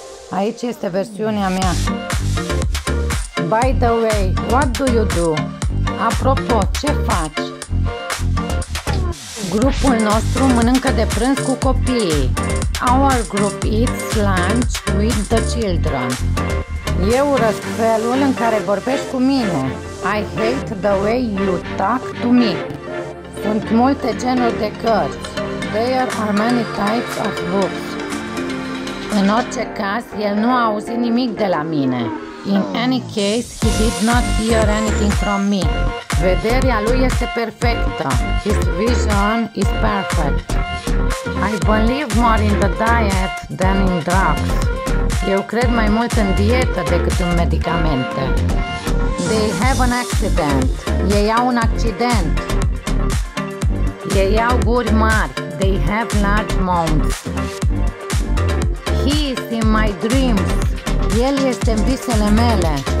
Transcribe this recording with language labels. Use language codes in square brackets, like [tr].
[ro] Aici este versiunea mea. [en] By the way, what do you do? [ro] Apropo, ce faci? Grupul nostru mănâncă de prânz cu copiii. [en] Our group eats lunch with the children. [ro] Eu urăsc felul în care vorbești cu mine. [en] I hate the way you talk to me. [ro] Sunt multe genuri de cărți. [en] There are many types of books. [ro] În orice caz, el nu a auzit nimic de la mine. [en] In any case, he did not hear anything from me. [ro] Vederea lui este perfectă. [en] His vision is perfect. I believe more in the diet than in drugs. [ro] Eu cred mai mult în dietă decât în medicamente. [en] They have an accident. [ro] Ei au un accident. Ei au guri mari. [en] They have large mouths. He is in my dreams. [ro] El este în visele mele.